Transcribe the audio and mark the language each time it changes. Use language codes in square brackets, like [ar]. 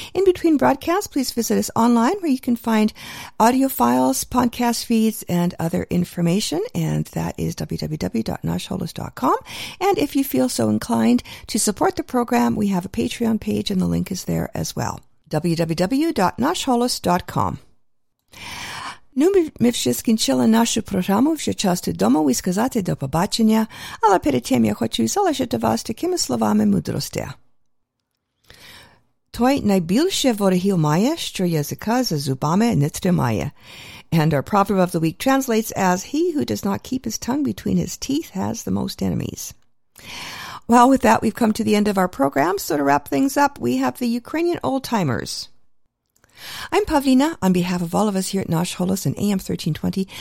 [en] In between broadcasts, please visit us online where you can find audio files, podcast feeds, and other information. And that is www.nashholos.com. And if you feel so inclined to support the program, we have a Patreon page and the link is there as well. www.nashholos.com. [uk] Ну, ми вже скінчили нашу програму, вже час додому і сказати до побачення, але перед тим я хочу залишити вас такими словами мудрості. Той найбільше ворогів має, що язика за зубами не тримає. [en] And our proverb of the week translates as, he who does not keep his tongue between his teeth has the most enemies. Well, with that, we've come to the end of our program. So to wrap things up, we have the Ukrainian old-timers. I'm Pavlina, on behalf of all of us here at Nash Holos and AM 1320.